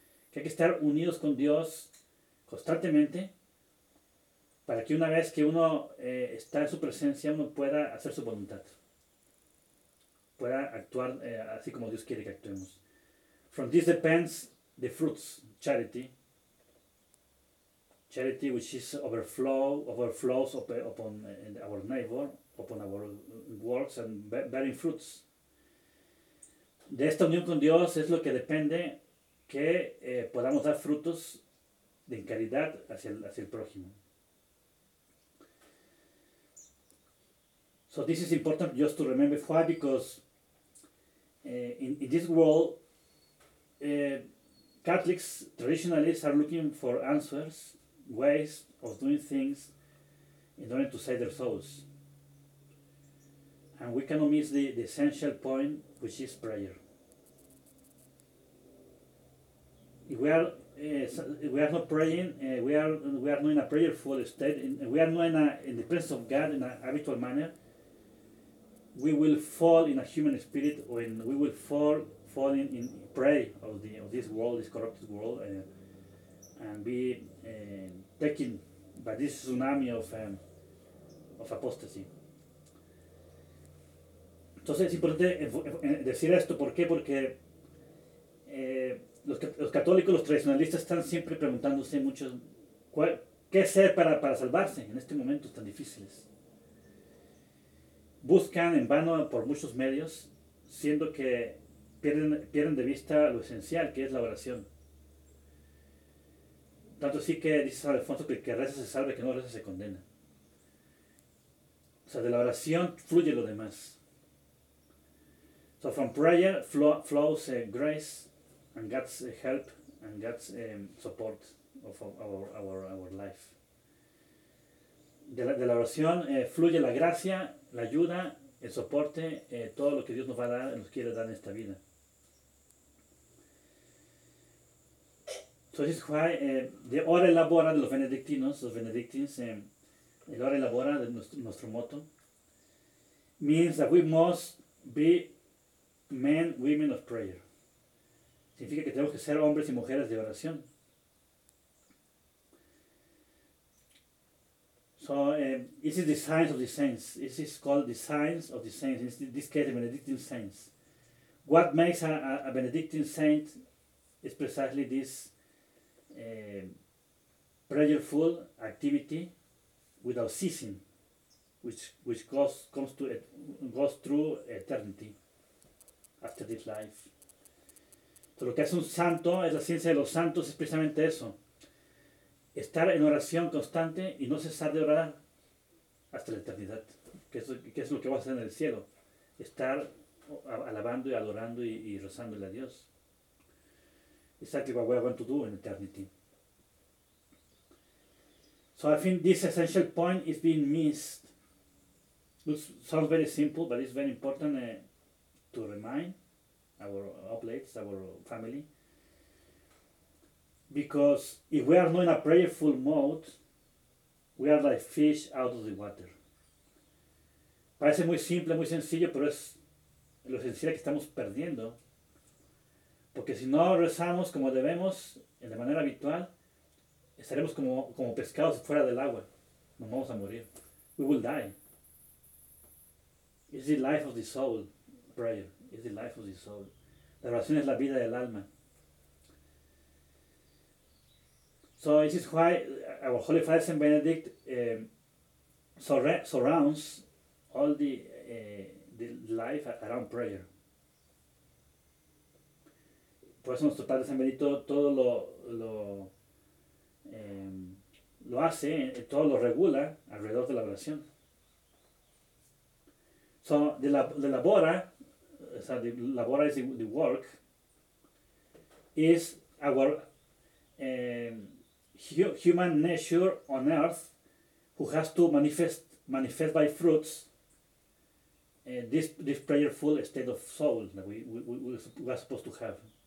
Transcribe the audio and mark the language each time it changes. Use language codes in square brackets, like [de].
[es] Que hay que estar unidos con Dios constantemente para que una vez que uno está en su presencia, uno pueda hacer su voluntad. Pueda actuar así como Dios quiere que actuemos. [en] From this depends the fruits, charity. Charity, which is overflows upon our neighbor, upon our works and bearing fruits. [es] De esta unión con Dios es lo que depende que podamos dar frutos de caridad hacia el prójimo. [en] So this is important just to remember. Why? Because In this world, Catholics, traditionalists, are looking for answers, ways of doing things in order to save their souls. And we cannot miss the essential point, which is prayer. If we are not praying, we are not in a prayerful state, and we are not in the presence of God in a habitual manner, we will fall in a human spirit, when we will fall in prey of this world, this corrupted world, and be taken by this tsunami of apostasy. [es] Entonces es importante decir esto, ¿por qué? Porque los católicos, los tradicionalistas, están siempre preguntándose mucho qué hacer para salvarse en estos momentos tan difíciles. Buscan en vano por muchos medios, siendo que pierden de vista lo esencial, que es la oración. Tanto así que dice San Alfonso que el que reza se salve, que no reza se condena. O sea, de la oración fluye lo demás. [en] So from prayer flows grace and God's help and God's support of our life. [es] De la oración fluye la gracia, la ayuda, el soporte, todo lo que Dios nos va a dar, nos quiere dar en esta vida. [en] So this is why the Ora Labora [es] de los Benedictinos, [en] los Benedictines, [es] el Ora Labora de nuestro motto, [en] means that we must be men, women of prayer. [es] Significa que tenemos que ser hombres y mujeres de oración. [en] So, this is the signs of the saints. This is called the signs of the saints. In this case, the Benedictine saints. What makes a Benedictine saint is precisely this prayerful activity without ceasing, which goes through eternity after this life. [es] So, lo que hace un santo, es la ciencia de los santos, es precisamente eso. Estar en oración constante y no cesar de orar hasta la eternidad. Que es lo que vas a hacer en el cielo. Estar alabando y adorando y rezándole a Dios. [en] Exactly what we're going to do in eternity. So I think this essential point is being missed. It sounds very simple, but it's very important to remind our oblates, our family. Because if we are not in a prayerful mode, we are like fish out of the water. [es] Parece muy simple, muy sencillo, pero es lo esencial que estamos perdiendo. Porque si no rezamos como debemos, de manera habitual, estaremos como pescados fuera del agua. Nos vamos a morir. [en] We will die. It's the life of the soul, prayer. It's the life of the soul. [es] La oración es la vida del alma. [en] So this is why our Holy Father Saint Benedict surrounds all the life around prayer. [es] Por eso nuestro Padre San Benito todo lo hace, todo lo regula alrededor de la oración. [en] So the labora, so the labora is the work, is our human nature on earth, who has to manifest by fruits this prayerful state of soul that we are supposed to have.